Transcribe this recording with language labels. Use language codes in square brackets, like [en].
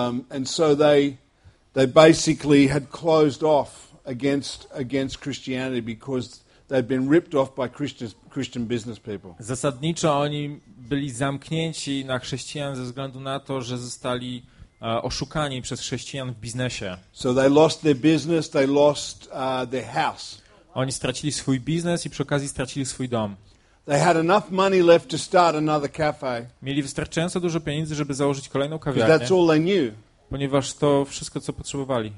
[en] And so they basically had closed off against Christianity because they'd been ripped off by Christian business people. [pl] Zasadniczo oni byli zamknięci na chrześcijan ze względu na to, że zostali oszukani przez chrześcijan w biznesie. [en] So they lost their business, they lost their house. [pl] Oni stracili swój biznes i przy okazji stracili swój dom. [en] They had enough money left to start another cafe. [pl] Mieli wystarczająco dużo pieniędzy, żeby założyć kolejną kawiarnię. [en] That's all they knew. [pl] Ponieważ to wszystko, co potrzebowali.